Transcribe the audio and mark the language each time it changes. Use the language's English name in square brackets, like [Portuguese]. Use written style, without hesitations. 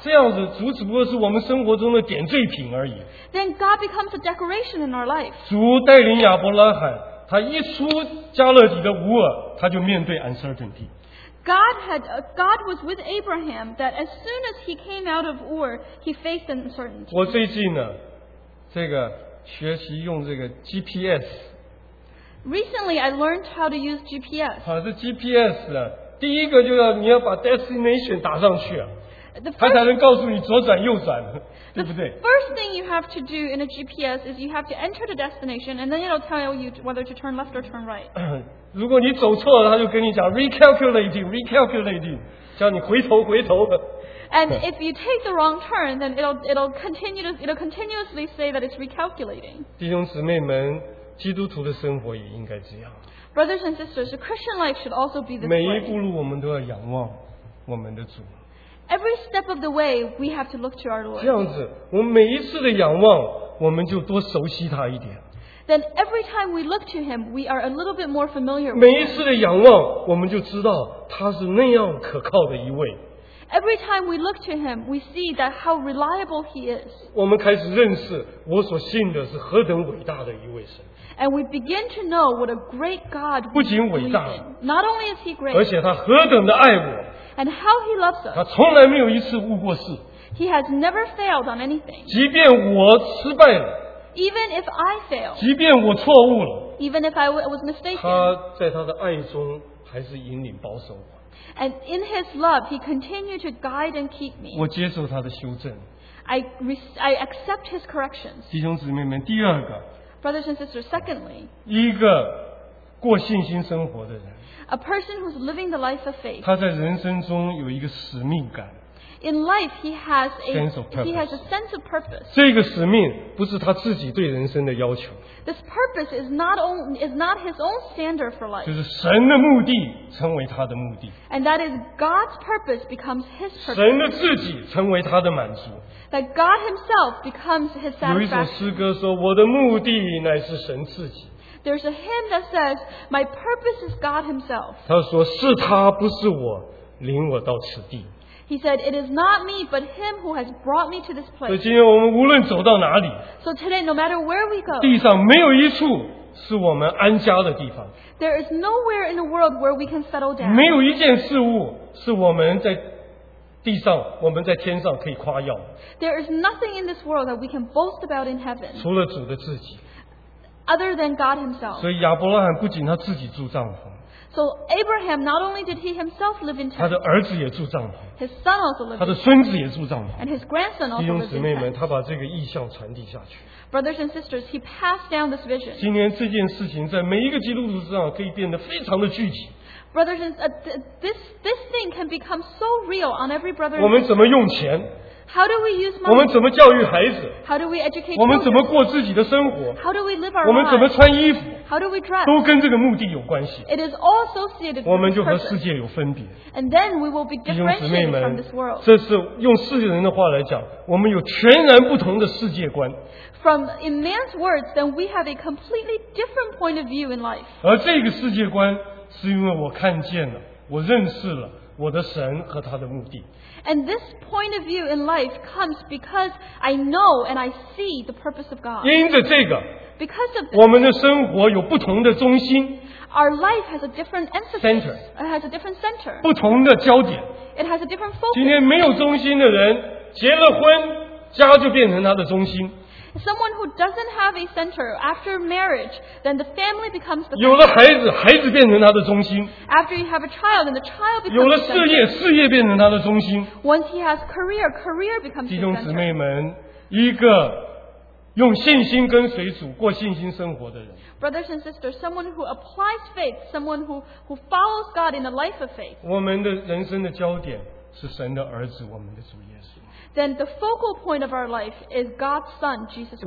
[Chinese] 这样子主只不过是我们生活中的点缀品而已。 [English] Then God becomes a decoration in our life. [Chinese] 主带领亚伯拉罕, 他一出加勒底的乌尔, 他就面对 uncertainty。 [English] God was with Abraham that as soon as he came out of Ur, he faced uncertainty. [Chinese] 我最近呢，这个学习用这个GPS。 [English] Recently, I learned how to use GPS. [Chinese] 好，这GPS呢, 第一个就要你要把 destination 打上去啊，他才能告诉你左转右转，对不对？ [English] The first thing you have to do in a GPS is you have to enter the destination and then it'll tell you whether to turn left or turn right. [Chinese] 如果你走错了，他就跟你讲 [English] recalculating, recalculating, [Chinese] 叫你回头回头。 [English] And if you take the wrong turn, then it'll continuously say that it's recalculating. [Chinese] 弟兄姊妹们，基督徒的生活也应该这样。 [English] Brothers and sisters, the Christian life should also be this way. [Chinese] 每一步路我们都要仰望我们的主。 [English] Every step of the way, we have to look to our Lord. [Chinese] 这样子，我们每一次的仰望，我们就多熟悉他一点。 [English] Then every time we look to him, we are a little bit more familiar. [Chinese] 每一次的仰望，我们就知道他是那样可靠的一位。 [English] Every time we look to him, we see that how reliable he is. [Chinese] 我们开始认识我所信的是何等伟大的一位神。 [English] And we begin to know what a great God we believe in. Not only is he great, [Chinese] 而且他何等的爱我。 [English] And how he loves us. [Chinese] 他从来没有一次误过事。 [English] He has never failed on anything. [Chinese] 即便我失败了。 [English] Even if I failed. [Chinese] 即便我错误了。 [English] Even if I was mistaken. [Chinese] 他在他的爱中还是引领保守我。 [English] And in his love, he continued to guide and keep me. [Chinese] 我接受他的修正。 [English] I accept his corrections. [Chinese] 弟兄姊妹们，第二个。 [English] Brothers and sisters, secondly, [Chinese] 一个过信心生活的人， [English] a person who's living the life of faith, [Chinese] 他在人生中有一个使命感。 [English] In life, he has a sense of purpose. [Chinese] 这个使命不是他自己对人生的要求。 [English] This purpose is not his own standard for life. [Chinese] 就是神的目的成为他的目的。 [English] And that is God's purpose becomes his purpose. [Chinese] 神的自己成为他的满足。 [English] That God himself becomes his satisfaction. [Chinese] 有一首诗歌说，我的目的乃是神自己。 [English] There's a hymn that says, my purpose is God himself. [Chinese] 他说，是他不是我，领我到此地。 [English] He said, it is not me, but him who has brought me to this place. [Chinese] 所以今天我们无论走到哪里。 [English] So today, no matter where we go. [Chinese] 地上没有一处是我们安家的地方。 [English] There is nowhere in the world where we can settle down. [Chinese] 没有一件事物是我们在地上，我们在天上可以夸耀。 [English] There is nothing in this world that we can boast about in heaven. [Chinese] 除了主的自己。 [English] Other than God himself. [Chinese] 所以亚伯拉罕不仅他自己住帐篷。 [English] So Abraham, not only did he himself live in tents, [Chinese] 他的儿子也住帐篷。 [English] His son also lived in tents. [Chinese] 他的孙子也住帐篷。 [English] And his grandson also lived in tents. [Chinese] 弟兄姊妹们，他把这个意象传递下去。 [English] Brothers and sisters, he passed down this vision. [Chinese] 今天这件事情在每一个基督徒身上可以变得非常的具体。 [English] Brothers and this thing can become so real on every brother. [Chinese] 我们怎么用钱？ [English] How do we use money? [Chinese] 我们怎么教育孩子？ [English] How do we educate children? [Chinese] 我们怎么过自己的生活？ [English] How do we live our lives? [Chinese] 我们怎么穿衣服？ [English] How do we dress? [Chinese] 都跟这个目的有关系。 [English] It is all associated with the [Chinese] purpose. 我们就和世界有分别。 [English] And then we will be differentiated from this world. [Chinese] 这是用世界人的话来讲，我们有全然不同的世界观。 [English] From in man's words, then we have a completely different point of view in life. [Chinese] 而这个世界观是因为我看见了，我认识了。我的神和他的目的。 [English] And this point of view in life comes because I know and I see the purpose of God. [Chinese] 因着这个， [English] because of this, [Chinese] 我们的生活有不同的中心。 [English] Our life has a different emphasis. Center. It has a different center. [Chinese] 不同的焦点。 [English] It has a different focus. [Chinese] 今天没有中心的人，结了婚，家就变成他的中心。 [English] Someone who doesn't have a center after marriage, then the family becomes the center. [Chinese] 有了孩子，孩子变成他的中心。 [English] After you have a child, then the child becomes. [Chinese] 有了事业，事业变成他的中心。 [English] Once he has career, career becomes the center. [Chinese] 弟兄姊妹们，一个用信心跟随主过信心生活的人。 [English] Brothers and sisters, someone who applies faith, someone who follows God in a life of faith. [Chinese] 我们的人生的焦点是神的儿子，我们的主耶稣。 [English] Then the focal point of our life is God's Son, Jesus Christ.